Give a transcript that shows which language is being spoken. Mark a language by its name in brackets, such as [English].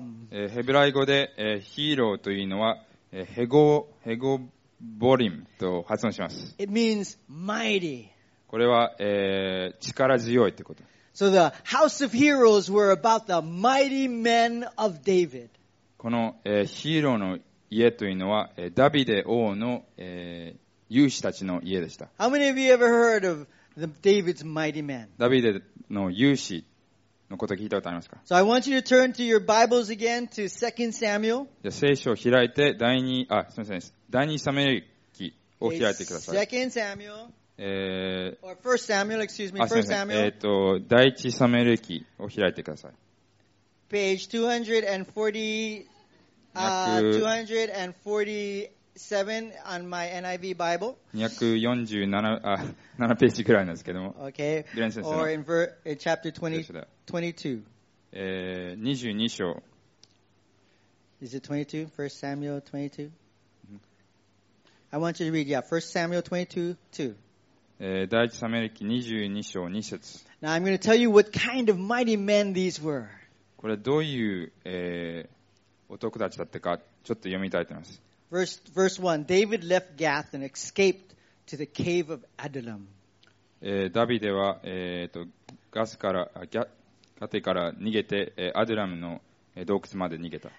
[Japanese] ヘブライ語で、ヒーローというのは、ヘゴボリムと発音します。 [English] It means mighty. [Japanese] これは、力強いということ。 [English] So the House of Heroes were about the mighty men of David. [Japanese] この、ヒーローの家というのは、ダビデ王の、勇士たちの家でした。 [English] How many of you ever heard of David's mighty men? [Japanese] ダビデの勇士のこと聞いたことありますか? [English] So I want you to turn to your Bibles again to 2 Samuel. [Japanese] じゃあ聖書を開いて第二サムエル記を開いてください。 [English] 2 Samuel. Or First Samuel, excuse me, First Samuel. [Japanese] 第一サムエル記を開いてください。 [English] Page 247 on my NIV Bible. [Japanese] 247ページくらいなんですけども。 [English] Okay. [Japanese] グレン先生。 [English] Or in chapter 22. [Japanese] 22章。 [English] Is it 22? First Samuel 22? I want you to read, yeah, First Samuel 22:2. [Japanese] 第一サムエル記22章2節。 [English] Now I'm going to tell you what kind of mighty men these were. [Japanese] これどういう、男たちだったかちょっと読みたいと思います。 [English] Verse 1. David left Gath and escaped to the cave of Adullam. [Japanese] ダビデは、ガテから逃げて、アドラムの洞窟まで逃げた。